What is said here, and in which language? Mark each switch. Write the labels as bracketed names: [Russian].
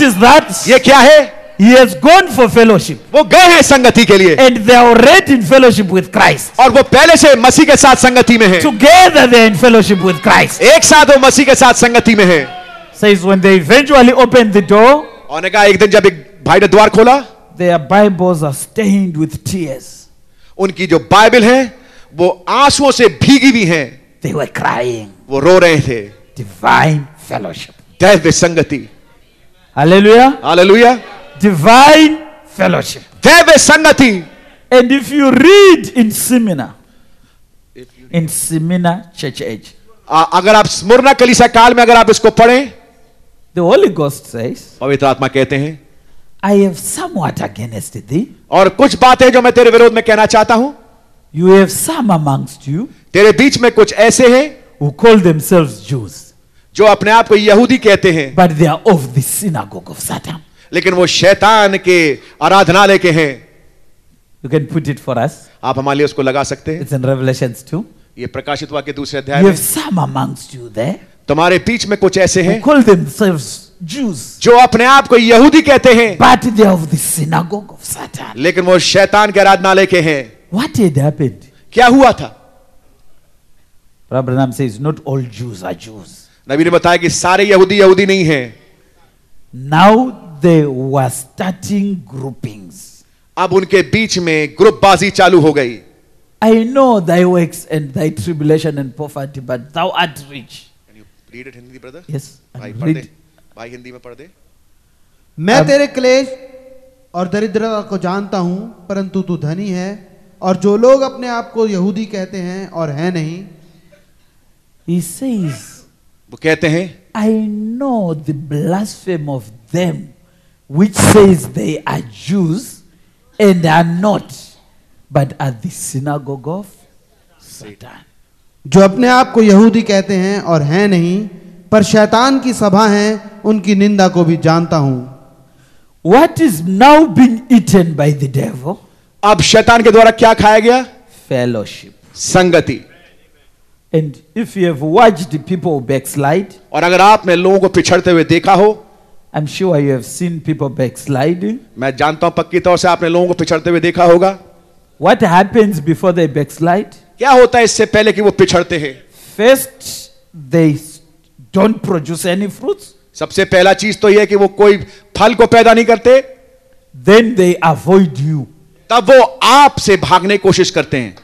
[Hindi] हैं. [English] What is that? [Hindi] ये क्या है? [English] He has gone for fellowship. [Hindi] वो गए हैं संगति के लिए. [English] And they are already in fellowship with Christ. [Hindi] और वो पहले से मसीह के साथ संगति में हैं. [English] Together they are in fellowship with Christ. [Hindi] एक साथ वो मसीह के साथ संगति में हैं. [English] Says when they eventually open the door. [Hindi] और कहा एक दिन जब एक भाई ने द्वार खोला. [English] Their Bibles are stained with tears. [Hindi] उनकी जो बाइबल है वो आंसुओं से भीगी हुई हैं. [English] They were crying. [Hindi] वो रो रहे थे. [English] Divine fellowship. [Hindi] दैवीय संगति. Hallelujah. Hallelujah. [English] Divine fellowship. [Hindi] दैवीय संगति. [English] And if you read in seminar, in seminar church age, [Hindi] अगर आप स्मुरना कलीसिया काल में अगर आप इसको पढ़ें, [English] the Holy Ghost says, [Hindi] पवित्र आत्मा कहते हैं, [English] I have somewhat against thee. [Hindi] और कुछ बातें जो मैं तेरे विरोध में कहना चाहता हूं. [English] You have some amongst you, [Hindi] तेरे बीच में कुछ ऐसे हैं, [English] who call themselves Jews, [Hindi] जो अपने आप को यहूदी कहते हैं, [English] but they are of the synagogue of Satan, [Hindi] लेकिन वो शैतान के आराधनालय के हैं. [English] You can put it for us, [Hindi] आप हमारे लिए उसको लगा सकते हैं. [English] It's in Revelations 2. [Hindi] ये प्रकाशित वाक्य दूसरे अध्याय. [English] You have some amongst you there, [Hindi] तुम्हारे बीच में कुछ ऐसे हैं, [English] who call themselves Jews, [Hindi] जो अपने आप को यहूदी कहते हैं, [English] but they are of the synagogue of Satan, [Hindi] लेकिन वो शैतान के आराधनालय के हैं. [English] What had happened? [Hindi] क्या हुआ था? [English] Brother Branham says, not all Jews are Jews. [Hindi] नबी ने बताया कि सारे यहूदी यहूदी नहीं हैं. [English] Now they were starting groupings. [Hindi] अब उनके बीच में ग्रुपबाजी चालू हो गई. [English] I know thy works and thy tribulation and poverty, but thou art rich. Can you read it in Hindi, brother? Yes. [Hindi] भाई हिंदी में पढ़ दे. मैं तेरे क्लेश और दरिद्रता को जानता हूं, परंतु तू धनी है. और जो लोग अपने आप को यहूदी कहते हैं और हैं नहीं, [English] He says, [Hindi] वो कहते हैं, [English] I know the blasphemy of them which says they are Jews and are not, but are the synagogue of Satan. [Hindi] जो अपने आप को यहूदी कहते हैं और हैं नहीं पर शैतान की सभा हैं उनकी निंदा को भी जानता हूं. [English] What is now being eaten by the devil? [Hindi] अब शैतान के द्वारा क्या खाया गया? [English] Fellowship. [Hindi] संगति. [English] And if you have watched people backslide, [Hindi] और अगर आपने लोगों को पिछड़ते हुए देखा हो, [English] I'm sure you have seen people backsliding. [Hindi] मैं जानता हूं पक्की तौर से आपने लोगों को पिछड़ते हुए देखा होगा. [English] What happens before they backslide? [Hindi] क्या होता है इससे पहले कि वो पिछड़ते हैं? [English] First, they don't produce any fruits. [Hindi] सबसे पहला चीज तो ये कि वो कोई फल को पैदा नहीं करते. [English] Then they avoid you. [Hindi] तब वो आपसे भागने की कोशिश करते हैं.